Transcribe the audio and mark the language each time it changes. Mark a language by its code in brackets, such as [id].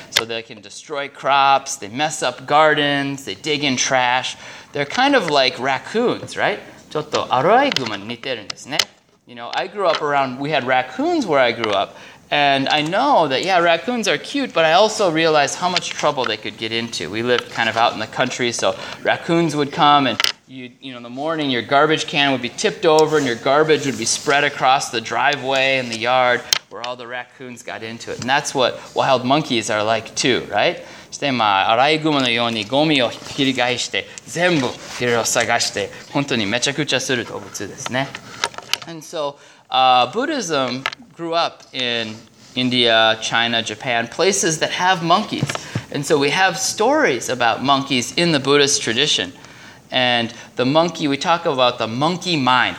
[en] So they can destroy crops, they mess up gardens, they dig in trash. They're kind of like raccoons, right? [ja] ちょっとアライグマに似てるんですね。 [en] You know, I grew up around, we had raccoons where I grew up, and I know that, yeah, raccoons are cute, but I also realized how much trouble they could get into. We lived kind of out in the country, so raccoons would come, and you know, in the morning, your garbage can would be tipped over, and your garbage would be spread across the driveway and the yard where all the raccoons got into it. And that's what wild monkeys are like too, right? [ja] そして、まあ、アライグマのようにゴミをひっくり返して、全部いろいろ探して、本当にめちゃくちゃする動物ですね。 [en] And so Buddhism grew up in India, China, Japan, places that have monkeys. And so we have stories about monkeys in the Buddhist tradition. And the monkey, we talk about the monkey mind.